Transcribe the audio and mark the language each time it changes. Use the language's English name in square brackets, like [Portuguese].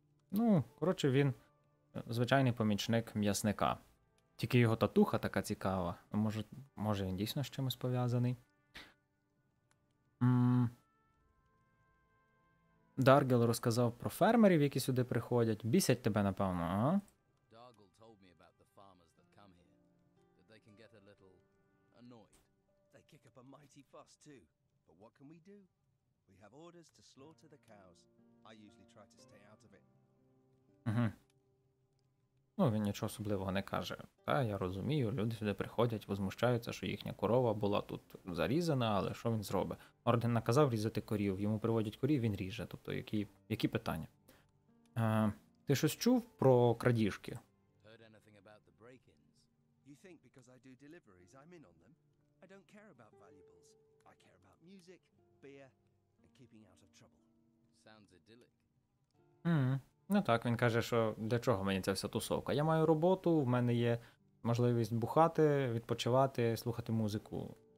[Ukrainian] Ну, коротше, він звичайний помічник м'ясника. Тільки його татуха така цікава. Може він дійсно з чимось пов'язаний? Даргел розказав про фермерів, які сюди приходять. Бісять тебе, напевно, а? [English] Даргел told me about the farmers that come here. That they can get a little annoyed. They kick up a mighty fuss too. But what can we do? We have orders to slaughter the cows. I usually try to stay out of it. Угу. [Ukrainian] Ну, він нічого особливого не каже. Та, я розумію, люди сюди приходять, возмущаються, що їхня корова була тут зарізана, але що він зробить? Орден наказав різати корів, йому приводять корів, він ріже. Тобто, які питання? Ти щось чув про крадіжки? [English] Heard anything about the break-ins? You think because I do deliveries, I'm in on them? I don't care about valuables. I care about music, beer, and keeping out of trouble. Sounds idyllic. [Ukrainian] Ну так, він каже, що для чого мені ця вся тусовка? Я маю роботу, в мене є можливість бухати, відпочивати, слухати музику.